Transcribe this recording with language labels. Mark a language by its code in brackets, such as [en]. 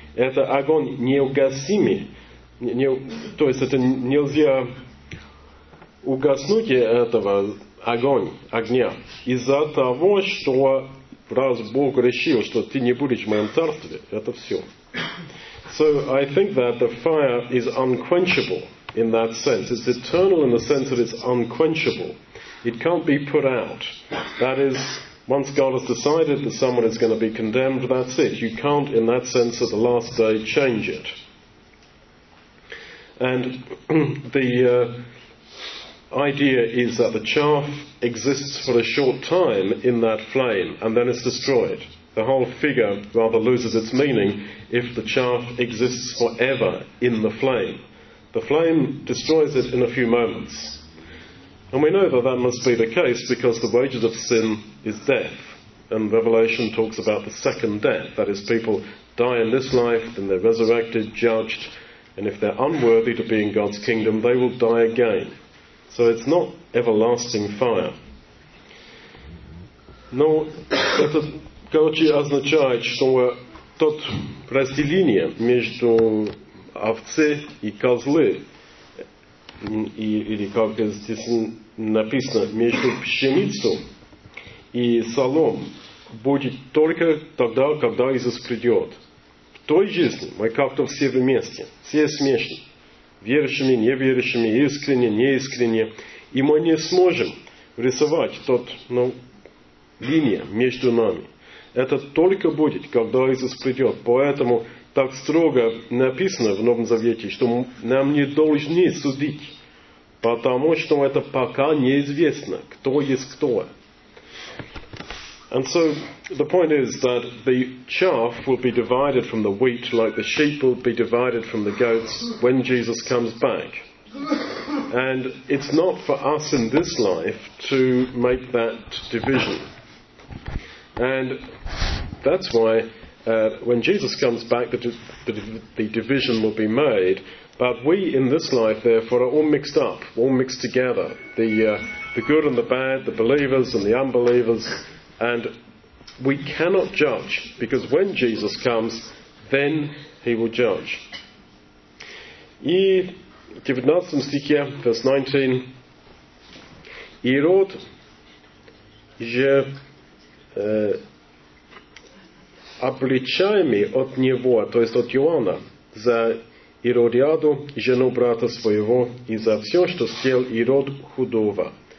[ru] Это огонь неугасимый, то есть это нельзя угаснуть этого огня из-за того, что раз Бог решил, что ты не будешь в моем царстве, это все. [en] So I think that the fire is unquenchable in that sense. It's eternal in the sense that it's unquenchable. It can't be put out. That is, once God has decided that someone is going to be condemned, that's it. You can't, in that sense, at the last day, change it. And the idea is that the chaff exists for a short time in that flame, and then it's destroyed. The whole figure rather loses its meaning if the chaff exists forever in the flame. The flame destroys it in a few moments. And we know that that must be the case because the wages of sin is death. And Revelation talks about the second death. That is, people die in this life, then they're resurrected, judged, and if they're unworthy to be in God's kingdom, they will die again. So it's not everlasting fire. [ru] Но это, короче, означает, что тот разделение между овцы и козлы, или как здесь написано, между пшеницей и солом, будет только тогда, когда Иисус придет. В той жизни мы как-то все вместе, все смешны, верующими, неверующими, искренне, неискренне, и мы не сможем рисовать тот, ну, линия между нами. Это только будет, когда Иисус придет. Поэтому так строго написано в Новом Завете, что нам не должны судить. Потому что это пока неизвестно, кто есть кто. [en] And so the point is that the chaff will be divided from the wheat, like the sheep will be divided from the goats when Jesus comes back. And it's not for us in this life to make that division. And that's why when Jesus comes back, the division will be made. But we in this life, therefore, are all mixed up, all mixed together. The good and the bad, the believers and the unbelievers. And we cannot judge, because when Jesus comes, then he will judge. [ru] И в 19 стихе, [en] verse 19, [ru] Ирод же обличаемый от него, то есть от Иоанна, за Иродиаду, жену брата своего, и за все, что сделал Ирод худого.